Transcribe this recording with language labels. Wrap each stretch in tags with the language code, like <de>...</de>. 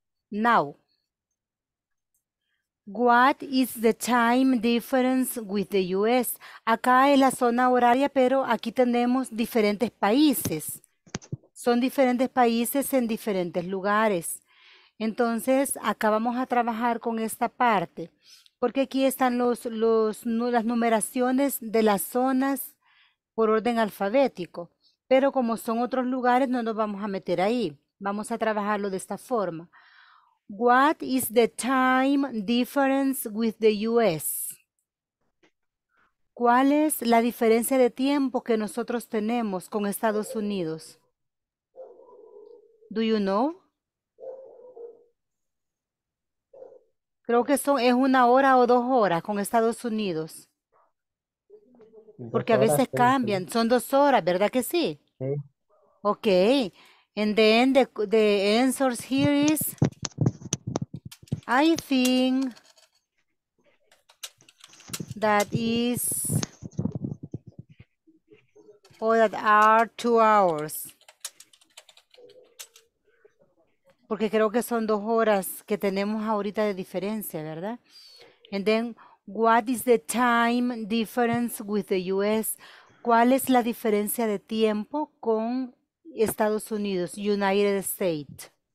<en>Now, what is the time difference with the US?</en> <es>Acá es la zona horaria, pero aquí tenemos diferentes países. Son diferentes países en diferentes lugares. Entonces, acá vamos a trabajar con esta parte. Porque aquí están las numeraciones de las zonas por orden alfabético. Pero como son otros lugares, no nos vamos a meter ahí. Vamos a trabajarlo de esta forma.</es> <en>What is the time difference with the US?</en> <es>¿Cuál es la diferencia de tiempo que nosotros tenemos con Estados Unidos?</es> <en>Do you know?</en> <es>Creo que es una hora o dos horas con Estados Unidos. Porque a veces cambian. Son 2 horas, ¿verdad que sí? Ok.</es> <en>And then the answers here is, I think that is, or that are 2 hours.</en> <es>Porque creo que son 2 horas que tenemos ahorita de diferencia, ¿verdad?</es> <en>And then, what is the time difference with the US?</en> <es>¿Cuál es la diferencia de tiempo con Estados Unidos, United States?</es>